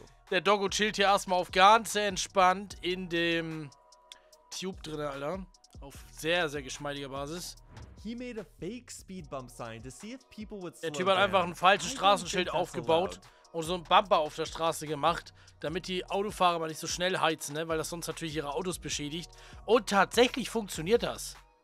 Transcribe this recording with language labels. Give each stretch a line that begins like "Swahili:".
German: Der Doggo chillt hier erstmal auf ganz entspannt in dem Tube drin, Alter. Auf sehr, sehr geschmeidiger Basis.
English: He made a fake speed bump sign to see if people would slow
German: down. Der Typ hat einfach ein falsches Straßenschild aufgebaut und so einen Bumper auf der Straße gemacht, damit die Autofahrer mal nicht so schnell heizen, ne? Weil das sonst natürlich ihre Autos beschädigt. Und tatsächlich funktioniert das.